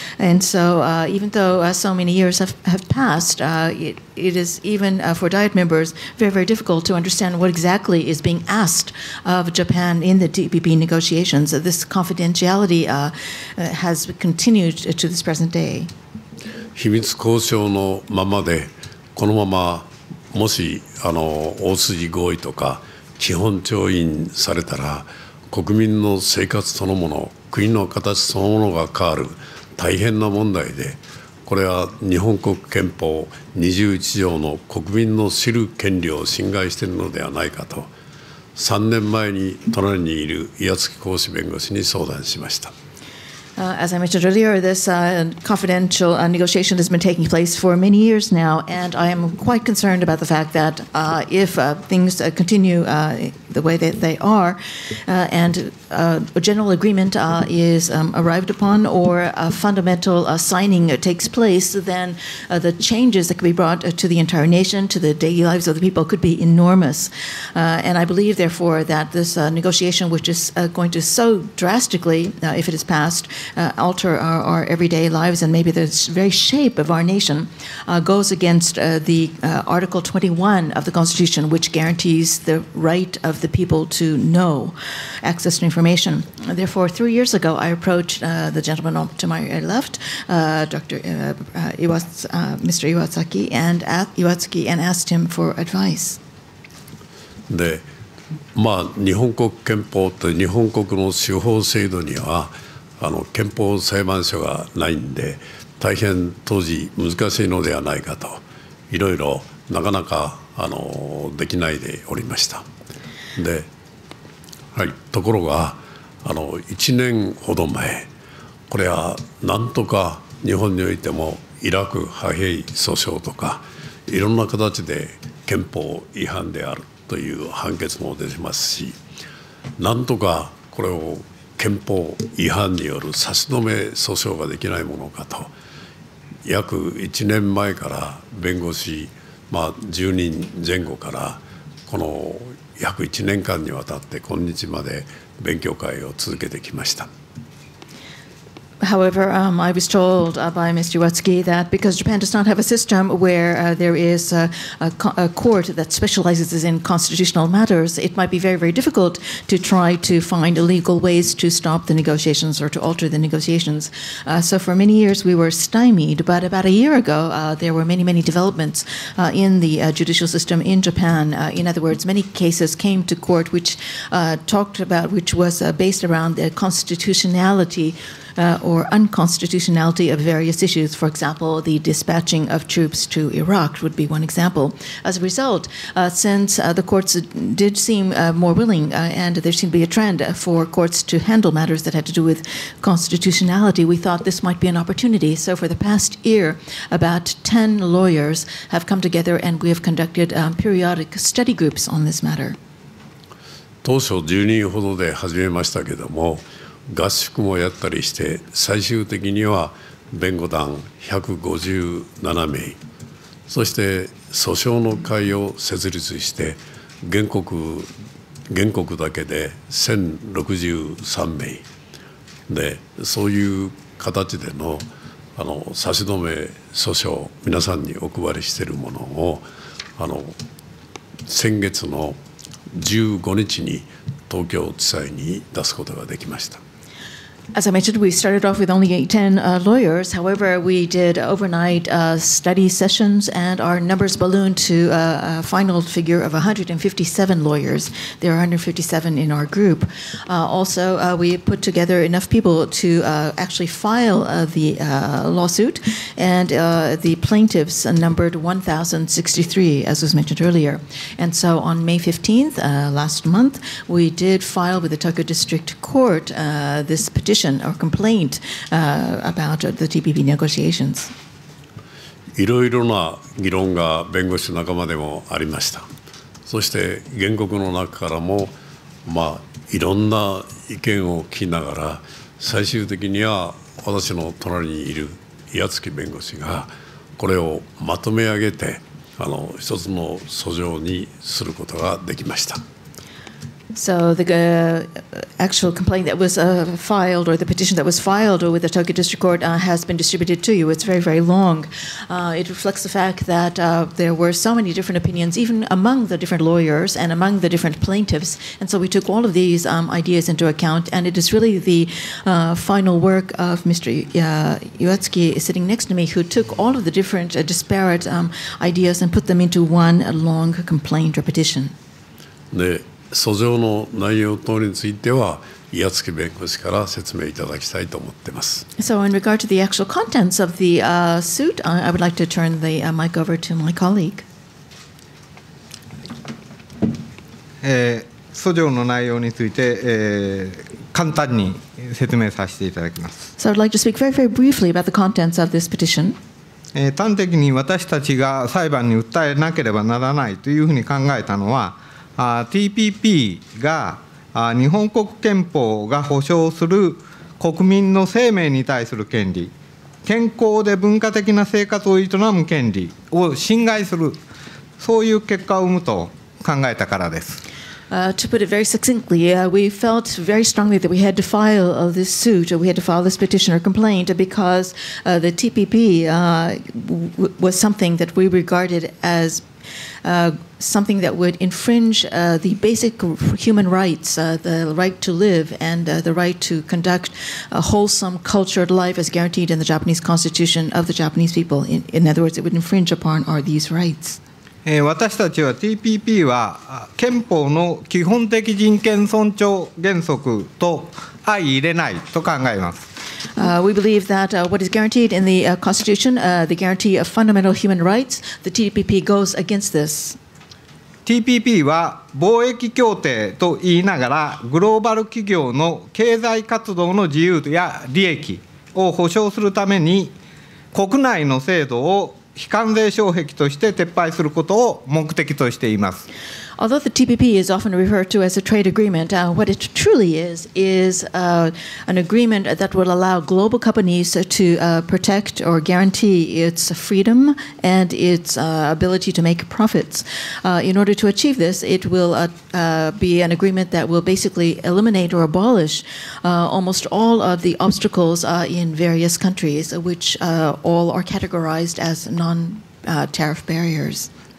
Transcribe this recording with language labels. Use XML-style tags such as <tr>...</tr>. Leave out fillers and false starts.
<en>And so even though so many years have passed, it is even for Diet members very, very difficult to understand what exactly is being asked of Japan in the TPP negotiations. This confidentiality has continued to this present day.</en> <ja>秘密交渉のままでこのままもしあの大筋合意とか基本調印されたら国民の生活そのもの国の形そのものが変わる大変な問題で、これは日本国憲法21条の国民の知る権利を侵害しているのではないかと3年前に隣にいる岩月浩司弁護士に相談しました。</ja> <en>As I mentioned earlier, this confidential negotiation has been taking place for many years now, and I am quite concerned about the fact that if things continue the way that they are, and a general agreement is arrived upon, or a fundamental signing takes place, then the changes that could be brought to the entire nation, to the daily lives of the people, could be enormous. And I believe, therefore, that this negotiation, which is going to so drastically, if it is passed,alter our everyday lives and maybe the very shape of our nation goes against Article 21 of the Constitution, which guarantees the right of the people to know access to information. Therefore, 3 years ago, I approached the gentleman to my left, Mr. Iwatsuki, and Iwatsuki, and asked him for advice.</en> <ja>で、まあ、日本国憲法と日本国の司法制度にはあの憲法裁判所がないんで大変当時難しいのではないかといろいろなかなかあのできないでおりました。で、はい、ところがあの1年ほど前、これはなんとか日本においてもイラク派兵訴訟とかいろんな形で憲法違反であるという判決も出てますし、なんとかこれを憲法違反による差し止め訴訟ができないものかと約1年前から弁護士、まあ、10人前後からこの約1年間にわたって今日まで勉強会を続けてきました。</ja> <en>However, I was told by Mr. Iwatsuki that because Japan does not have a system where there is a court that specializes in constitutional matters, it might be very, very difficult to try to find legal ways to stop the negotiations or to alter the negotiations. So for many years, we were stymied. But about a year ago, there were many, many developments in the judicial system in Japan. In other words, many cases came to court which was based around the constitutionality or unconstitutionality of various issues. For example, the dispatching of troops to Iraq would be one example. As a result, since the courts did seem more willing and there seemed to be a trend for courts to handle matters that had to do with constitutionality, we thought this might be an opportunity. So for the past year, about 10 lawyers have come together and we have conducted periodic study groups on this matter.</en> <ja>当初10人ほどで始めましたけども、合宿もやったりして最終的には弁護団157名、そして訴訟の会を設立して原告だけで1063名で、そういう形で あの差し止め訴訟皆さんにお配りしているものをあの先月の15日に東京地裁に出すことができました。</ja> <en>As I mentioned, we started off with only 10 lawyers. However, we did overnight study sessions and our numbers ballooned to a final figure of 157 lawyers. There are 157 in our group. Also, we put together enough people to actually file the lawsuit. and the plaintiffs numbered 1,063, as was mentioned earlier. And so on May 15th, last month, we did file with the Tokyo District Court this petition or complaint about the TPP negotiations.</en> <ja>いろいろな議論が弁護士仲間でもありました。そして原告の中からも、まあ、いろんな意見を聞きながら、最終的には私の隣にいる矢月弁護士がこれをまとめ上げて一つの訴状にすることができました。</ja> <en>So the actual complaint that was filed, or the petition that was filed with the Tokyo District Court, has been distributed to you. It's very, very long. It reflects the fact that there were so many different opinions, even among the different lawyers and among the different plaintiffs. And so we took all of these ideas into account. And it is really the final work of Mr. Iwatsuki sitting next to me, who took all of the different disparate ideas and put them into one long complaint or petition. The</en> <ja>訴状の内容等については矢月弁護士から説明いただきたいと思っています。</ja> <en>So in regard to the actual contents of the suit, I would like to turn the mic over to my colleague.</en> <ja>訴状の内容について、簡単に説明させていただきます。</ja> <en>So I would like to speak very, very briefly about the contents of this petition.</en> <ja>端的に私たちが裁判に訴えなければならないというふうに考えたのは、TPP が日本国憲法が保障する国民の生命に対する権利、健康で文化的な生活を営む権利を侵害する、そういう結果を生むと考えたからです。</ja> <en>To put it very succinctly, we felt very strongly that we had to file this suit, or we had to file this petition or complaint, because the TPP was something that we regarded as something that would infringe the basic human rights, the right to live and the right to conduct a wholesome cultured life as guaranteed in the Japanese constitution of the Japanese people. In other words, it would infringe upon our these rights.</en> <ja>私たちは TPP は憲法の基本的人権尊重原則と相容れないと考えます。</ja> <en>We believe that what is guaranteed in the Constitution, the guarantee of fundamental human rights, the TPP goes against this.</en> <ja>TPP は貿易協定と言いながら、グローバル企業の経済活動の自由や利益を保障するために、国内の制度を非関税障壁として撤廃することを目的としています。</ja> <en>Although the TPP is often referred to as a trade agreement, what it truly is an agreement that will allow global companies to protect or guarantee its freedom and its ability to make profits. In order to achieve this, it will be an agreement that will basically eliminate or abolish almost all of the obstacles in various countries, which all are categorized as non-tariff barriers.</en>